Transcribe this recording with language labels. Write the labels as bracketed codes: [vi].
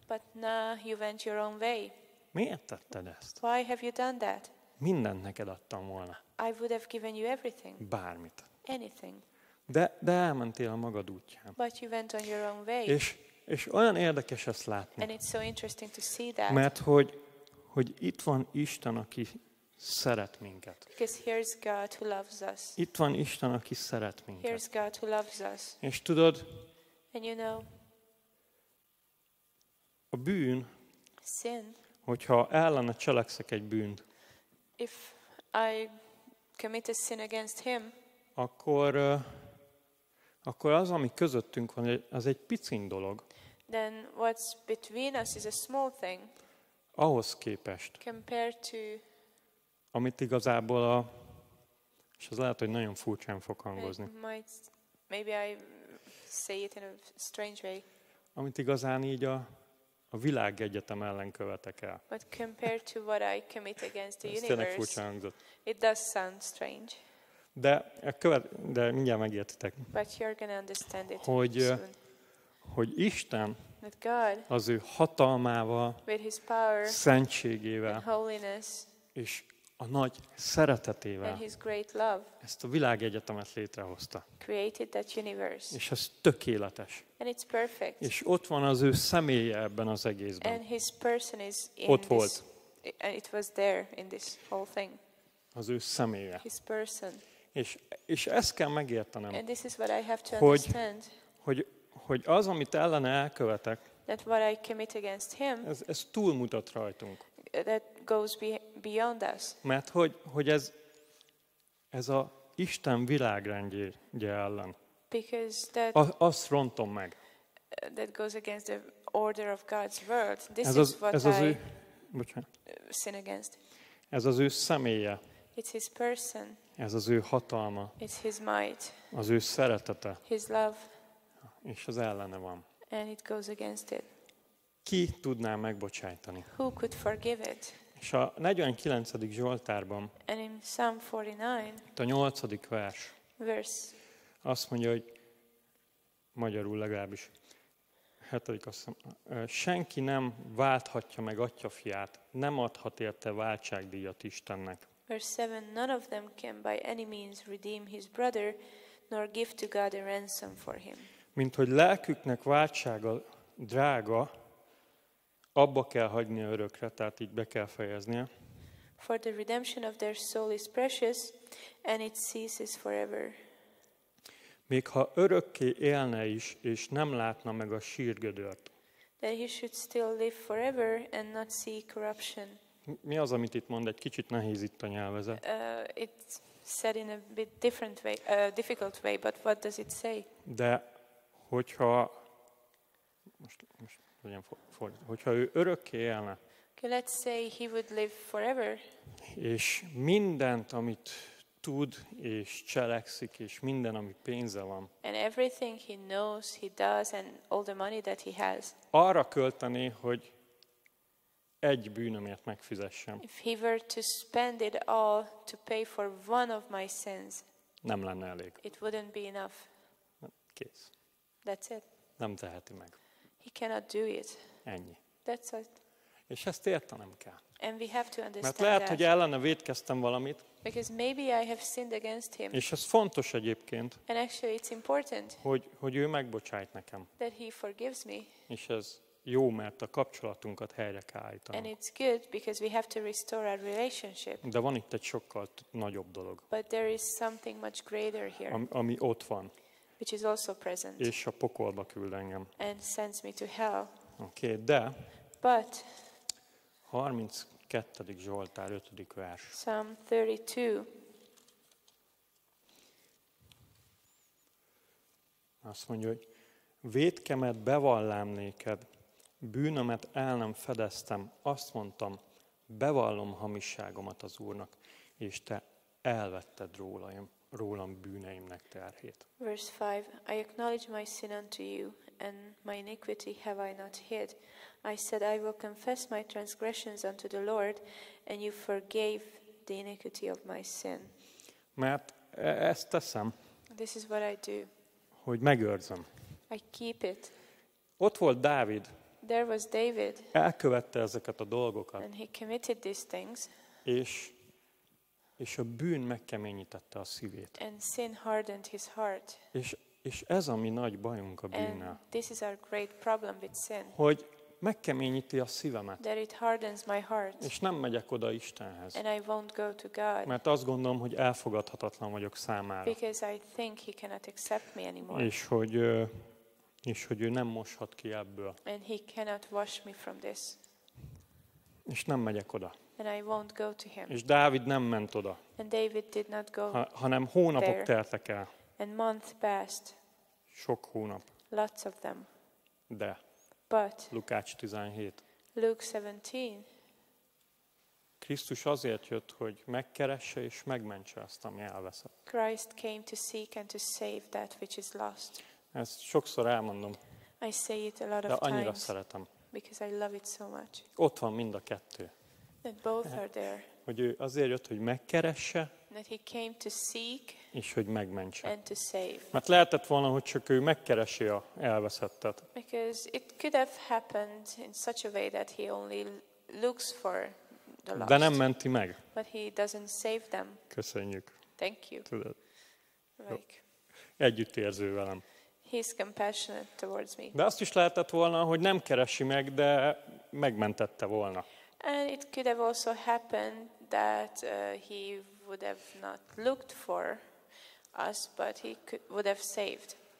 [en] But now you went your own way. [hu] Miért tetted ezt? [en] Why have you done that? [hu] Mindent neked adtam volna. [en] I would have given you everything. [hu] Bármit. [en] Anything. [hu] De elmentél a magad útján. [en] But you went on your own way. [hu] És olyan érdekes ezt látni. [en] And it's so interesting to see that. [hu] Mert hogy itt van Isten, aki szeret minket. [en] Because here's God who loves us. [hu] Itt van Isten, aki szeret minket. [en] Here's God who loves us. [hu] És tudod? [en] And you know, [hu] a bűn, [en] sin, [hu] hogyha ellene cselekszek egy bűnt, [en] if I commit a sin against him, [hu] akkor az, ami közöttünk van, az egy picin dolog. [en] Then what's between us is a small thing. [hu] Ahhoz képest. [en] Compared to. [hu] Amit igazából a, és ez lehet, hogy nagyon furcsán fog hangozni. [en] Maybe I say it in a strange way. [hu] Amit igazán így a világegyetem ellen követek el. [en] But compared to what I commit against the universe, it does sound strange. [hu] De mindjárt megértitek. [en] But you're gonna understand it [hu] hogy Isten [en] with God, [hu] az ő hatalmával, [en] with his power, [hu] szentségével, [en] and holiness, [hu] és a nagy szeretetével [en] and his great love, [hu] ezt a világegyetemet létrehozta. [en] Created that universe. [hu] És ez tökéletes. [en] And it's perfect. [hu] És ott van az ő személye ebben az egészben. [en] And his person is in [hu] ott [en] this, [hu] volt. [en] It was there in this whole thing. [hu] Az ő személye. [en] His person. [hu] És ezt kell megértenem, [en] and this is what I have to understand. [hu] Hogy az, amit ellene elkövetek, [en] that what I commit against him, [hu] ez túlmutat rajtunk. [en] That goes beyond us. [hu] Mert hogy ez a Isten világrendje ellen. [en] Because that [hu] azt rontom meg. [en] That goes against the order of God's world. This [hu] ez az, [en] is what [hu] ez [en] I [hu] ő, [en] sin against. [hu] Ez az ő személye. [en] It's his person. [hu] Ez az ő hatalma. [en] It's his might. [hu] Az ő szeretete. [en] His love. [hu] És az ellene van. [en] And it goes against it. [hu] Ki tudná megbocsájtani? [en] Who could forgive it? [hu] És a 49. Zsoltárban, [en] and in Psalm 49, [hu] itt a 8. vers, [en] verse, [hu] azt mondja, hogy magyarul legalábbis, 7. azt mondja, senki nem válthatja meg atyafiát, nem adhat érte váltságdíjat Istennek. [en] Verse 7, none of them can by any means redeem his brother, nor give to God a ransom for him. [hu] Mint hogy lelküknek váltsága drága, abba kell hagyni örökre, tehát így be kell fejeznie. [en] For the redemption of their soul is precious, and it ceases forever. [hu] Még ha örökké élne is, és nem látna meg a sírgödört. [en] That he should still live forever and not see corruption. [hu] Mi az, amit itt mond, egy kicsit nehéz itt a nyelvezet? [en] It's said in a bit different way, difficult way, but what does it say? [hu] De hogyha most legyen fordítva, hogyha ő örökké élne. [en] Okay, let's say he would live forever. [hu] És mindent, amit tud és cselekszik, és minden, ami pénze van. [en] And everything he knows, he does, and all the money that he has. [hu] Arra költeni, hogy egy bűnömért megfizessem. [en] If he were to spend it all to pay for one of my sins. [hu] Nem lenne elég. [en] It wouldn't be enough. [hu] Kész. [en] That's it. [hu] Nem teheti meg. [en] He cannot do it. [hu] Ennyi. [en] That's it. [hu] És ezt értenem kell. [en] And we have to understand. [hu] Mert lehet, [en] that. [hu] Hogy ellene vétkeztem valamit. [en] Because maybe I have sinned against him. [hu] És ez fontos egyébként. [en] And actually it's important. [hu] Hogy ő megbocsájt nekem. [en] That he forgives me. [hu] És ez jó, mert a kapcsolatunkat helyre kell állítani. [en] And it's good because we have to restore our relationship. [hu] De van itt egy sokkal nagyobb dolog. [en] But there is something much greater here. [hu] Ami ott van. [en] Which is also present. [hu] És a pokolba küld engem. [en] And sends me to hell. [hu] Oké, de. [en] But. [hu] 32. Zsoltár 5. vers. [en] Psalm 32. [hu] Azt mondja, hogy vétkemet bevallám néked, bűnömet el nem fedeztem, azt mondtam, bevallom hamisságomat az Úrnak, és te elvetted rólam bűneimnek terhét. [en] Verse 5. I acknowledge my sin unto you, and my iniquity have I not hid. I said, I will confess my transgressions unto the Lord, and you forgave the iniquity of my sin. [hu] Mert ezt teszem. [en] This is what I do. [hu] Hogy megőrzem. [en] I keep it. [hu] Ott volt Dávid. [en] There was David. [hu] Elkövette ezeket a dolgokat. [en] And he committed these things. [hu] És a bűn megkeményítette a szívét. [en] And sin hardened his heart. [hu] És ez a mi nagy bajunk a bűnnel. [en] And this is our great problem with sin. [hu] Hogy megkeményíti a szívemet. [en] That it hardens my heart. [hu] És nem megyek oda Istenhez. [en] And I won't go to God. [hu] Mert azt gondolom, hogy elfogadhatatlan vagyok számára. [en] Because I think he cannot accept me anymore. [hu] És hogy ő nem moshat ki ebből. [en] And he cannot wash me from this. [hu] És nem megyek oda. [en] And I won't go to him. [hu] És Dávid nem ment oda. [en] And David did not go [hu] hanem hónapok [en] there. [hu] Teltek el. [en] And month passed. [hu] Sok hónap. [en] Lots of them. [hu] De. [en] But. [hu] Lukács 17. [en] Luke 17. [hu] Krisztus azért jött, hogy megkeresse és megmentse azt, ami elveszett. [en] Christ came to seek and to save that which is lost. [hu] Ezt sokszor elmondom. [en] I say it a lot of times. [hu] De annyira szeretem. [en] Because I love it so much. [hu] Ott van mind a kettő. [en] That both are there. [hu] Hogy ő azért jött, hogy megkeresse. [en] That he came to seek. [hu] És hogy megmentse. [en] And to save. [hu] Mert lehetett volna, hogy csak ő megkeresi a elveszettet. [en] Because it could have happened in such a way that he only looks for the lost. [hu] De nem menti meg. [en] But he doesn't save them. [hu] Köszönjük. [en] Thank you. [hu] Tudod. [en] Like. [hu] Együttérző velem. [en] He's compassionate towards me. [hu] De azt is lehetett volna, hogy nem keresi meg, de megmentette volna. [en] And it could have also happened that he would have not looked for us, but he would have saved.